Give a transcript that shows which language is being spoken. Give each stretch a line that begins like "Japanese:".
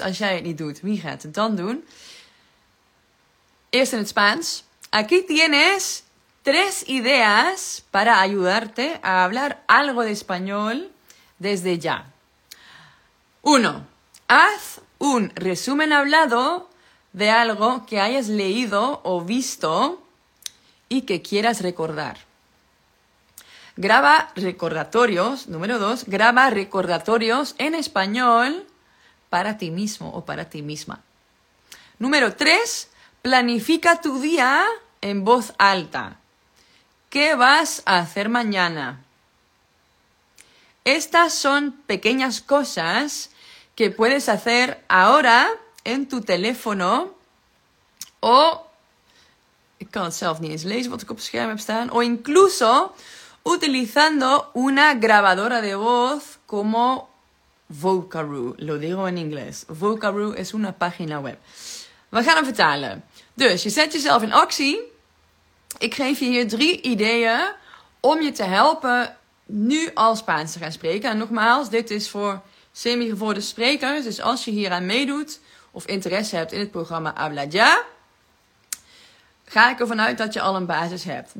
Dutch: Als jij het niet doet, wie gaat het dan doen? Eerst in het Spaans.
Spanish: Aquí tienes tres ideas para ayudarte a hablar algo de español desde ya. Uno, haz un resumen hablado de algo que hayas leído o visto y que quieras recordar. Graba recordatorios. Número dos, graba recordatorios en español para ti mismo o para ti misma. Número tres, planifica tu día en voz alta. ¿Qué vas a hacer mañana? Estas son pequeñas cosas que puedes hacer ahora en tu teléfono o...
Dutch: Ik kan het zelf niet eens lezen wat ik op het scherm heb staan.
Spanish: O incluso utilizando una grabadora de voz como Vocaroo. Lo digo en inglés. Vocaroo es una página web.
Dutch: We gaan hem vertalen. Dus je zet jezelf in actie. Ik geef je hier drie ideeën om je te helpen nu al Spaans te gaan spreken. En nogmaals, dit is voor semi-gevorderde sprekers. Dus als je hier aan meedoet of interesse hebt in het programma Habla Ya, ga ik ervan uit dat je al een basis hebt.